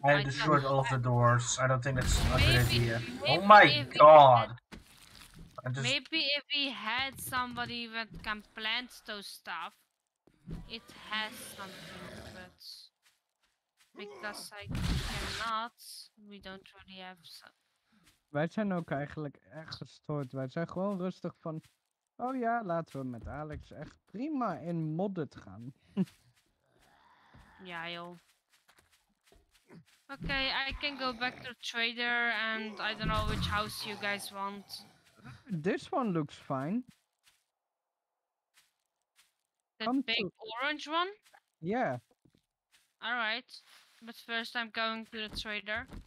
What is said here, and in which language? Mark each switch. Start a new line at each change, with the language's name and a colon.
English: I destroyed all of the doors. I don't think that's a good idea. Oh my god! Maybe if we had somebody that can plant those stuff, it has something, but because I cannot, we don't really have some.
Dutch: Wij zijn ook eigenlijk echt gestoord. Wij zijn gewoon rustig van, oh ja, laten we met Alex echt prima in modded gaan. Ja joh.
English: Oké, I can go back to trader and I don't know which house you guys want. This one looks fine. The big orange one? Yeah. Alright, but first I'm going to the trader.